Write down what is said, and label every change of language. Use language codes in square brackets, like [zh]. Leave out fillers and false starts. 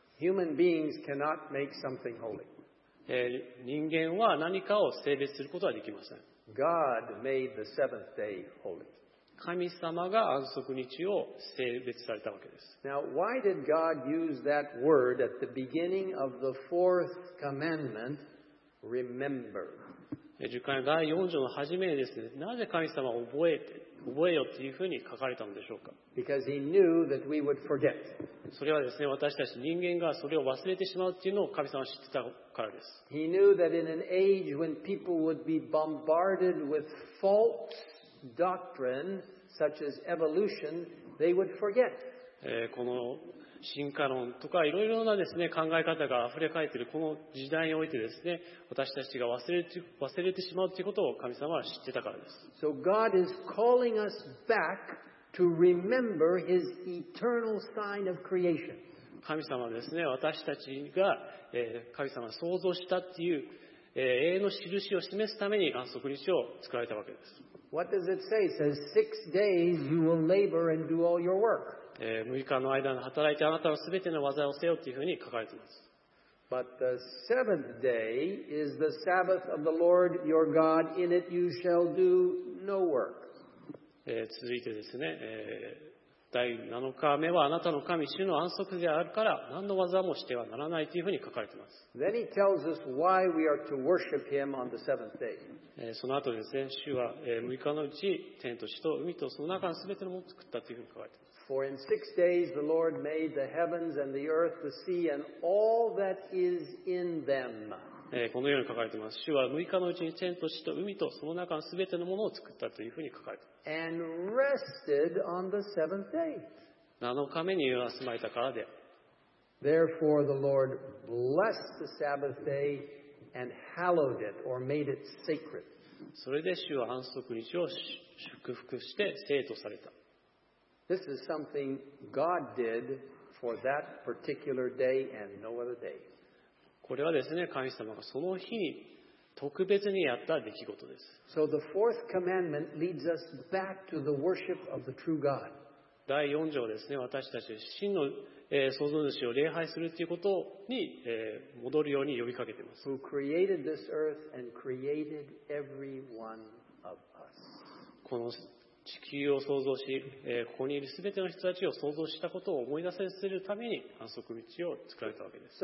[en] Human beings cannot make something holy. [ja] 人間は何かを聖別することはできません。 [en] God made the seventh day holy. [ja] 神様が安息日を聖別されたわけです。 [en] Now, why did God use that word at the beginning of the fourth commandment, remember? [ja] 十戒第四条の初めにですね、なぜ神様は覚えよというふうに書かれたのでしょうか。 [en] Because He knew that we would forget. [ja] それはですね、私たち人間がそれを忘れてしまうというのを神様は知ってたからです。 [en] He knew that in an age when people would be bombarded with faultsdoctrine such as evolution, they would forget. [ja] この進化論とかいろいろなですね考え方があふれかえているこの時代においてですね、私たちが忘れてしまうということを神様は知ってたからです。 [en] So God is calling us back to remember His eternal sign of creation. [ja] 神様はですね、私たちが神様が創造したっていう永遠の印を示すために安息日を作られたわけです。 [en] What does it say? It says, six days you will labor and do all your work. [ja] 6日の間の働いてあなたのすべての技をせよというふうに書かれています。 [en] But the seventh day is the Sabbath of the Lord your God. In it you shall do no work. [ja] 続いてですね、第7日目はあなたの神主の安息であるから何の技もしてはならないというふうに書かれています。 [en] Then he tells us why we are to worship him on the seventh day. [ja] その後ですね、主は6日のうち天と地と海とその中のすべてのものを作ったというふうに書かれています。 [en] For in six days the Lord made the heavens and the earth, the sea and all that is in them. [ja] このように書かれています。主は6日のうちに天と地と海とその中のすべてのものを作ったというふうに書かれています。 [en] And rested on the seventh day. [ja] 7日目に休まれたからである。 [en] Therefore the Lord blessed the Sabbath day and hallowed it or made it sacred. [ja] それで主は安息日を祝福して聖とされた。 [en] This is something God did for that particular day and no other day. [ja] これはですね、神様がその日に特別にやった出来事です。 [en] So the fourth commandment leads us back to the worship of the true God. [ja] 第4条ですね、私たち真の創造主を礼拝するということに戻るように呼びかけています。 [en] Who created this earth and created every one of us. [ja] この地球を創造し、ここにいるすべての人たちを創造したことを思い出させるために安息日を作られたわけです。